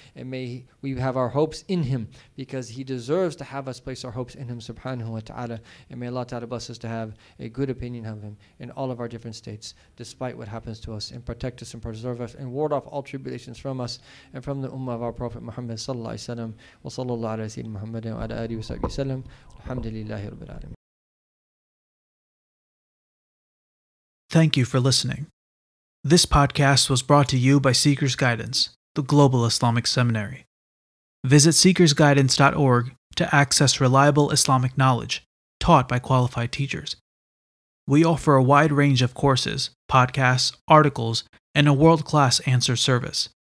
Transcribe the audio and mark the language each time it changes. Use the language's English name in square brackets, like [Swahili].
[English] And may we have our hopes in Him because He deserves to have us place our hopes in Him subhanahu wa ta'ala. And may Allah ta'ala bless us to have a good opinion of Him in all of our different states despite what happens to us, and protect us and preserve us and ward off all tribulations from us and from the ummah of our Prophet Muhammad sallallahu alaihi wasallam. [Arabic] وصلى الله على سيدنا محمد وعلى آله وصحبه وسلم الحمد لله رب العالمين. [English] Thank you for listening. This podcast was brought to you by Seeker's Guidance, the Global Islamic Seminary. Visit seekersguidance.org to access reliable Islamic knowledge taught by qualified teachers. We offer a wide range of courses, podcasts, articles, and a world-class answer service.